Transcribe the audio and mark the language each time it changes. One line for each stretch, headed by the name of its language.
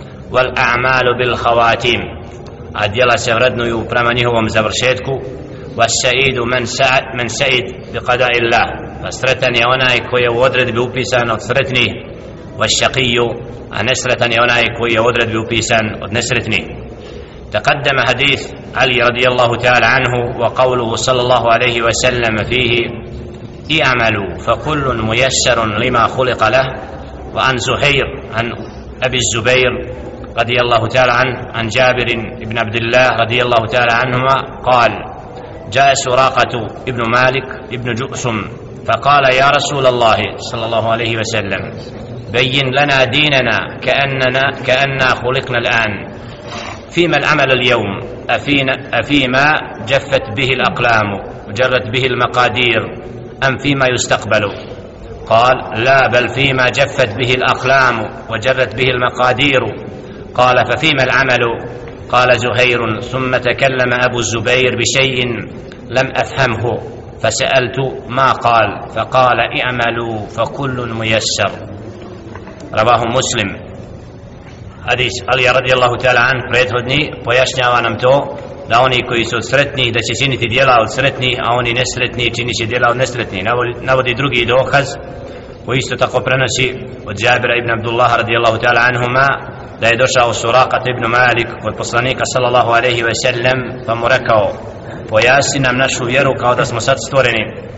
Arabic: وَالْأَعْمَالُ بِالْخَوَاتِيمِ,
Bosnian: a djela se vrednuju prema njihovom završetku.
Arabic: وَالسَّعِيدُ مَنْ سَعِدْ بِقَدَاءِ اللَّهِ,
Bosnian: pa sretan je onaj koji je u odredbi upisan od sretnih.
Arabic: وَالشَّقِيُّ,
Bosnian: a nesretan je onaj koji je u odredbi upisan od nesretnih.
Arabic: تقدم حديث علي رضي الله تعالى عنه وقوله صلى الله عليه وسلم فيه اعملوا فكل ميسر لما خلق له, وعن زهير عن أبي الزبير رضي الله تعالى عنه عن جابر بن عبد الله رضي الله تعالى عنهما قال جاء سراقة ابن مالك ابن جؤسم فقال يا رسول الله صلى الله عليه وسلم بين لنا ديننا كأننا خلقنا الآن, فيما العمل اليوم, أفيما جفت به الأقلام وجرت به المقادير أم فيما يستقبل؟ قال لا بل فيما جفت به الأقلام وجرت به المقادير. قال ففيما العمل؟ قال زهير. ثم تكلم أبو الزبير بشيء لم أفهمه فسألت ما قال فقال اعملوا فكل ميسر. رواه مسلم. حديث علي رضي الله تعالى عنه
Bosnian: prethodni pojašnjava nam to da oni koji su sretni da će činiti djela od sretnih, a oni nesretni čini će djela od nesretnih. Navodi drugi dokaz koji isto tako prenosi od Jabira ibn Abdullah radi Allahu ta'ala anhuma da je došao Suraqat ibn Malik od poslanika sallallahu alaihi ve sellem pa mu rekao pojasni nam našu vjeru kao da smo sad stvoreni,